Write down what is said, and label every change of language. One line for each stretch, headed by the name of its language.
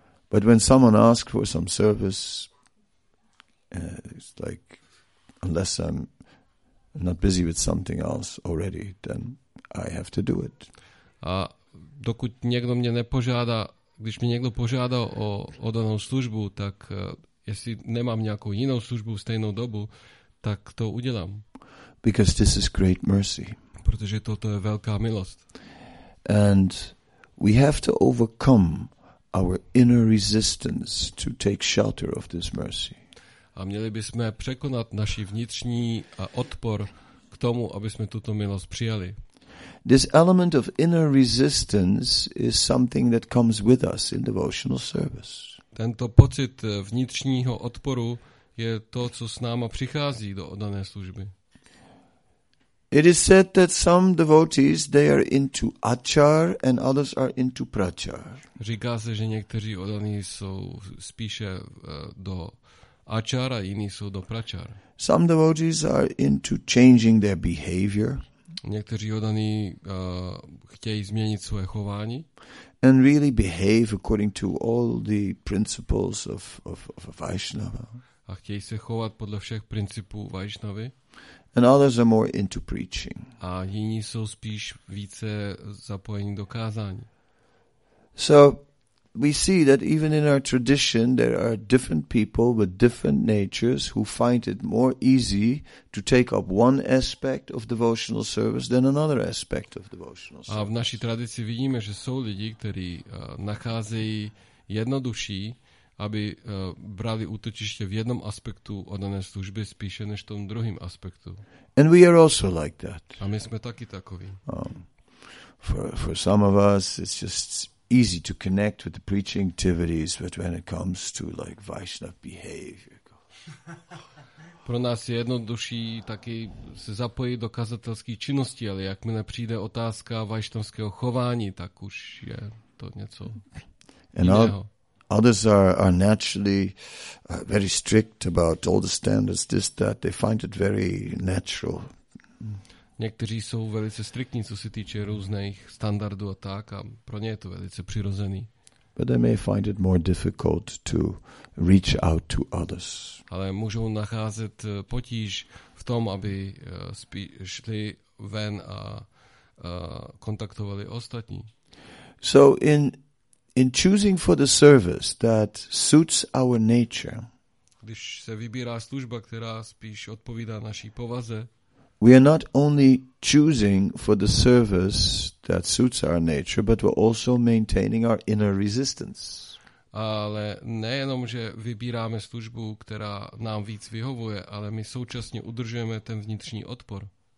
English: But when someone asks for some service, it's like unless I'm not busy with something else already, then I have to do it.
Czech: A dokud někdo mě nepožádá, když mě někdo požádá o danou službu, tak jestli nemám nějakou jinou službu v stejnou dobu, tak to udělám.
English: Because this is great mercy.
Czech: Protože toto je velká milost.
English: And we have to overcome our inner resistance to take shelter of this mercy.
Czech: A měli bychom překonat naši vnitřní odpor
Slovak: k tomu, aby sme túto milosť prijali.
English: This element of inner resistance is something that comes with us in devotional service.
Czech: Tento pocit vnitřního odporu je to, co s náma přichází do dané služby.
English: It is said that some devotees they are into achar and others are into prachar.
Czech: Říká se, že někteří oddaní jsou spíše do achara, jiní jsou do prachar.
English: Some devotees are into changing their behavior.
Czech: Někteří oddaní chtějí změnit své chování.
English: And really behave according to all the principles of Vaishnava.
Czech: A chtějí se chovat podle všech principů Vaishnavy.
English: And others are more into preaching.
Czech: A jiní jsou spíš více zapojení do kázání.
English: So we see that even in our tradition there are different people with different natures who find it more easy to take up one aspect of devotional service than another aspect of devotional service.
Czech: A v naší tradici vidíme, že jsou lidi, kteří nacházejí jednodušší, aby brali útočiště v jednom aspektu oddané služby spíše než v tom druhém aspektu.
English: And we are also like that.
Czech: A my jsme taky takoví.
English: For some of us it's just easy to connect with the preaching activities, but when it comes to like Vaishnava behavior.
Czech: Pro nás je jednodušší taky se zapojit do kazatelské činnosti, ale jakmile přijde otázka vaishnavského chování, tak už je to něco jiného.
English: Others are naturally very strict about all the standards, this, that. They find it very natural.
Czech: Někteří jsou velice striktní, co se týče různých standardů a tak, a pro ně je to velice přirozený.
English: But they may find it more difficult to reach out to others.
Czech: Ale můžou nacházet potíž v tom, aby šli ven a kontaktovali ostatní.
English: So in choosing for the service that suits our nature.
Czech: Když se vybírá služba, která spíš odpovídá naší povaze.
English: We are not only choosing for the service that suits our nature, but we're also maintaining our inner resistance.
Czech: Ale nejenom, že vybíráme službu, která nám víc vyhovuje, ale my současně udržujeme ten vnitřní odpor.